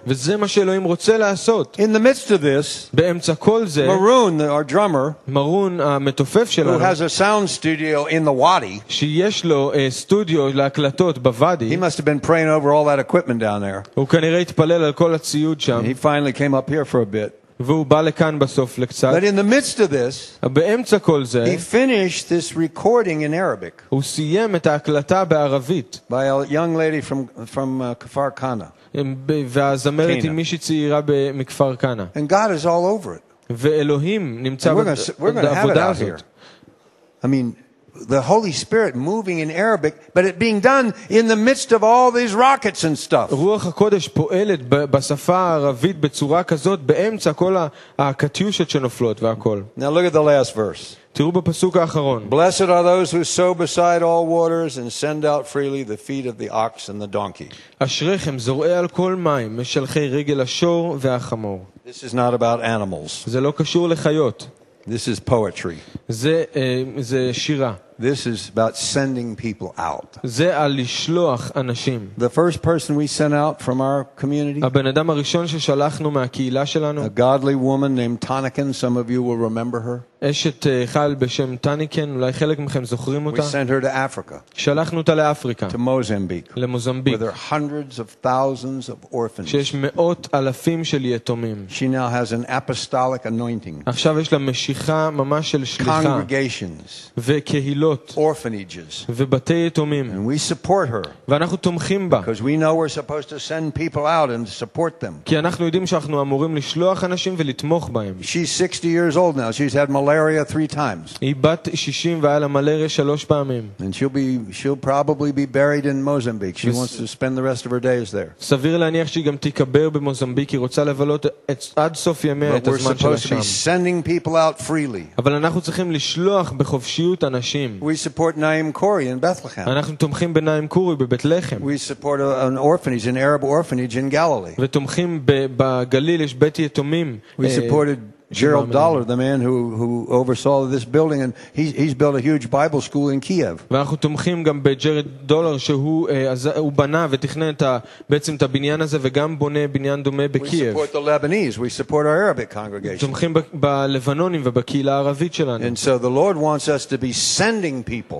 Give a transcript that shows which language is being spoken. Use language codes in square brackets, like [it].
[he] וזה מה שאלוהים רוצה לעשות. [en] In the midst of this. [he] באמצע כל זה. [en] Maroon, our drummer. [he] Maroon המתופף שלנו. [en] Who has a sound studio in the wadi. [he] שיש לו סטודיו להקלטות בוואדי. [en] He must have been praying over all that equipment down there. [he] הוא כנראה התפלל על כל הציוד שם. [en] He finally came up here for a bit. [he] והוא בא לכאן בסוף לקצת. [en] But in the midst of this. [he] באמצע כל זה. [en] He finished this recording in Arabic. [he] הוא סיים את ההקלטה בערבית. [en] By a young lady from Kfar Kana. [he] והזמרת היא מישהי צעירה מכפר קנה. [en] And God is all over it. [he] ואלוהים נמצא בעבודה הזאת. [en] I mean, the Holy Spirit moving in Arabic, but it being done in the midst of all these rockets and stuff. [he] רוח הקודש פועלת בשפה הערבית בצורה כזאת, באמצע כל הקטיושות שנופלות והכל. [en] Now look at the last verse. [he] תראו בפסוק האחרון. [en] Blessed are those who sow beside all waters and send out freely the feet of the ox and the donkey. [he] אשריכם זורעי על כל מים, משלחי רגל השור והחמור. [en] This is not about animals. [he] זה לא קשור לחיות. [en] This is poetry. [he] זה שירה. [en] This is about sending people out. [he] זה על לשלוח אנשים. [en] The first person we sent out from our community. [he] הבן אדם הראשון ששלחנו מהקהילה שלנו. [en] A godly woman named Tanikin, some of you will remember her. [he] אשת חייל בשם טניקן, אולי חלק מכם זוכרים אותה. [en] We sent her to Africa. [he] שלחנו אותה לאפריקה. [en] To Mozambique. [he] למוזמביק. [en] With her hundreds of thousands of orphans. [he] שיש מאות אלפים של יתומים. [en] She now has an apostolic anointing. [he] עכשיו יש לה משיכה ממש של שליחה. [en] Congregations. [he] וקהילות. [en] Orphanages. [he] ובתי יתומים. [en] And we support her. [he] ואנחנו תומכים בה. [en] Because we know we're supposed to send people out and support them. [he] כי אנחנו יודעים שאנחנו אמורים לשלוח אנשים ולתמוך בהם. [en] She's 60 years old now. She's had malaria 3 times. [he] היא בת 60 והיה לה מלריה 3 פעמים. [en] And she'll probably be buried in Mozambique. She wants to spend the rest of her days there. [he] סביר להניח שהיא גם תיקבר במוזמביק, היא רוצה לבלות עד סוף ימיה את הזמן שלה שם. [en] But we're supposed to be sending people out freely. [he] אבל אנחנו צריכים לשלוח בחופשיות אנשים. [en] We support Naim Kori in Bethlehem. [he] אנחנו תומכים בנעים קורי בבית לחם. [en] We support an orphanage, an Arab orphanage in Galilee. [he] ותומכים בגליל יש בית יתומים. [en] We supported Gerald Dollar, the man who oversaw this building, and he's built a huge Bible school in Kiev. [he] ואנחנו תומכים גם בג'רד דולר שהוא בנה ותכנן בעצם את הבניין הזה וגם בונה בניין דומה בקייב. [en] We support the Lebanese. We support our Arabic congregation. [he] תומכים בלבנונים ובקהילה הערבית שלנו. [en] And so the Lord wants us to be sending people.